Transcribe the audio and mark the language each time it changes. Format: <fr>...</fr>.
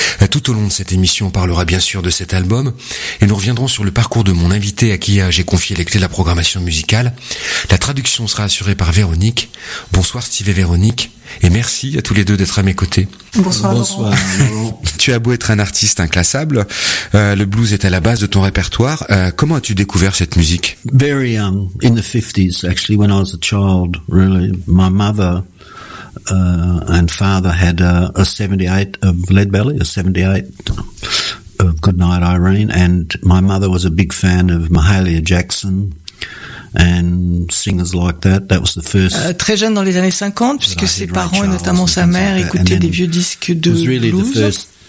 <fr>Tout au long de cette émission, on parlera bien sûr de cet album, et nous reviendrons sur le parcours de mon invité à qui j'ai confié les clés de la programmation musicale. La traduction sera assurée par Véronique. Bonsoir Steve et Véronique. Et merci à tous les deux d'être à mes côtés. Bonsoir. Bonsoir. Tu as beau être un artiste inclassable, le blues est à la base de ton répertoire. Comment as-tu découvert cette musique?</fr> <en>Very young, in the 50s actually, when I was a child, really. My mother and father had a 78 of Lead Belly, a 78 of Goodnight Irene, and my mother was a big fan of Mahalia Jackson. And singers like that. That was the first.</en> <fr>Très jeune dans les années 50, puisque ses parents et notamment sa mère écoutaient des vieux disques de blues.</fr>